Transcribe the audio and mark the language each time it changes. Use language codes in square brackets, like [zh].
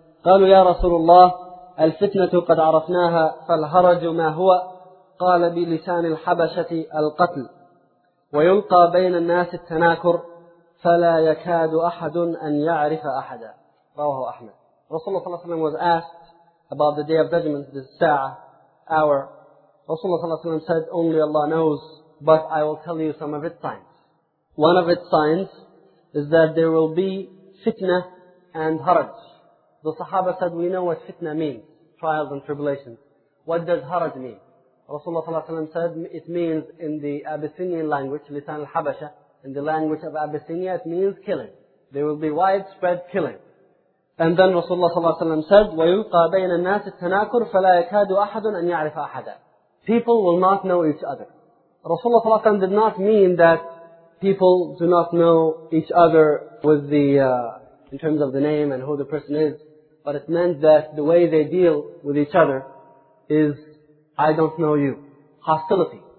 [ar] قالوا يا رسول الله الفتنة قد عرفناها فالهرج ما هو؟ قال بلسان الحبشة القتل ويلقى بين الناس التناكر فلا يكاد أحد أن يعرف أحدا. رواه أحمد. رسول الله صلى الله عليه وسلم [en] was asked about the day of judgment, the sa'ah, hour. [ar] رسول الله صلى الله عليه وسلم [en] said, only Allah knows, but I will tell you some of its signs. One of its signs is that there will be fitna and haraj. The Sahaba said, we know what fitna means, trials and tribulations. What does haraj mean? Rasulullah ﷺ said, it means in the Abyssinian language, [ar] lisan al-habasha, [en] in the language of Abyssinia, it means killing. There will be widespread killing. And then Rasulullah ﷺ said, [ar] وَيُلْقَى بَيْنَ النَّاسِ التَّنَاكُرُ فَلَا يَكَادُ أَحَدٌ أَنْ يَعْرِفَ أَحَدًا. [en] People will not know each other. Rasulullah ﷺ did not mean that people do not know each other with the in terms of the name and who the person is. But it meant that the way they deal with each other is, I don't know you. Hostility.